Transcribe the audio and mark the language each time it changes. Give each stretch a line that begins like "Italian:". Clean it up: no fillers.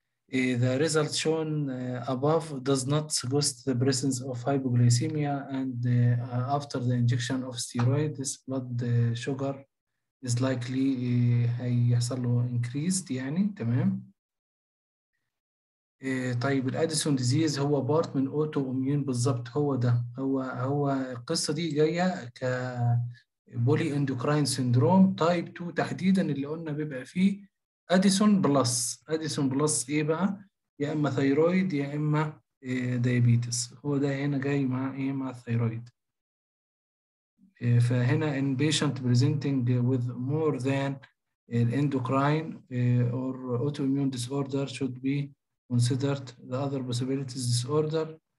English: The results shown above does not suggest the presence of hypoglycemia and after the injection of steroid, this blood sugar is likely
Arabic: هيحصل له
English: increased
Arabic: يعني تمام. طيب الأديسون ديزيز هو بارت من أوتو أميون بالضبط هو ده هو القصة دي جاية كبولي اندوكراين سيندروم تايب 2 تحديدا اللي قلنا بيبقى فيه أديسون بلس إيه بقى؟ يا إما ثيرويد يا إما ديابيتس هو ده هنا جاي مع إيه مع الثيرويد
English: فهنا in patient presenting with more than endocrine or autoimmune disorder should be considered the other possibilities disorder.